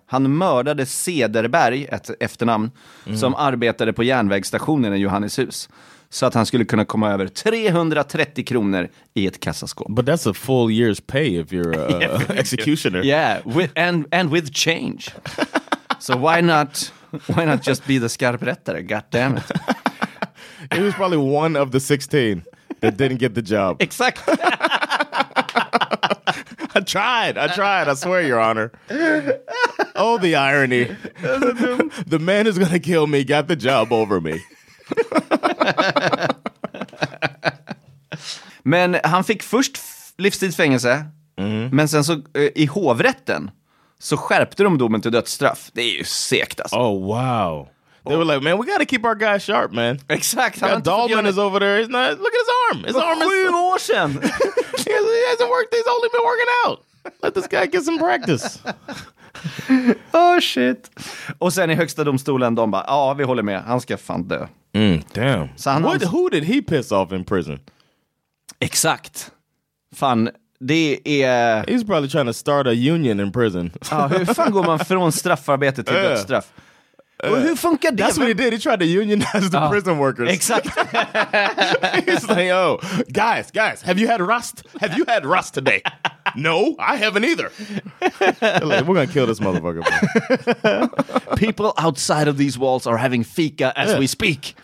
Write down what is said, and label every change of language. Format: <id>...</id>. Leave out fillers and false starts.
<sv>Han mördade Cederberg, ett efternamn, som arbetade på järnvägsstationen i Johanneshus. Så att han skulle kunna komma över 330 kronor i ett kassaskåp.</sv> <en>But that's a full year's pay if you're an executioner. Yeah, with change. So why not just be the skarprättare? God damn it. It was probably one of the 16 that didn't get the job.</en> <sv>Exakt.</sv> <en>I tried, I swear, Your Honor. Oh, the irony. The man who's gonna kill me got the job over me.</en> <sv>Men han fick först livstidsfängelse, men sen så i hovrätten så skärpte de domen till dödsstraff. Det är ju sekt alltså.</sv> <en>Oh wow. They were like, man, we gotta keep our guy sharp, man.</en> <sv>Exakt.</sv> <en>Dahlman is over there. He's not, look at his arm. His arm is</en> <sv>7 år sedan.</sv> <en>He hasn't worked. He's only been working out. Let this guy get some practice. Oh shit.</en> <sv>Och sen i högsta domstolen, de bara, ja, vi håller med, han ska fan dö.</sv> <en>Damn.</en> <sv>Så han,</sv> <en>who did he piss off in prison?</en> <sv>Exakt. Fan, det är...</sv> <en>He's probably trying to start a union in prison.</en> <sv>Ja, hur fan går man från straffarbete till dödsstraff? Och hur funkar det?</sv> <en>That's what he did. He tried to unionize the prison workers.</en> <sv>Exakt.</sv> <en>He's like, oh, guys, have you had rust? Have you had rust today? No, I haven't either. Like, we're gonna kill this motherfucker. People outside of these walls are having fika as we speak.</en>